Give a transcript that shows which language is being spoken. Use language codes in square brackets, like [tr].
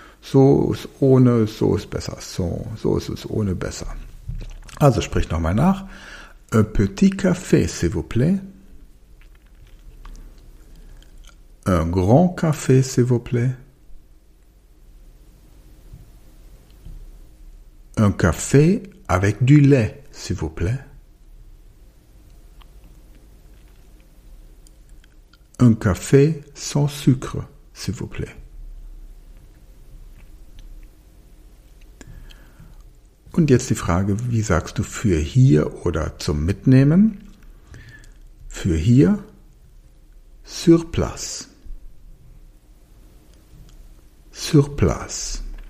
[de] So ist ohne, so ist besser. So ist es ohne besser. Also sprich nochmal nach. [fr] Un petit café, s'il vous plaît. Un grand café, s'il vous plaît. Un café avec du lait, s'il vous plaît. Un café sans sucre, s'il vous plaît. [de] Und jetzt die Frage, wie sagst du für hier oder zum Mitnehmen? Für hier, [fr] sur place. Sur place.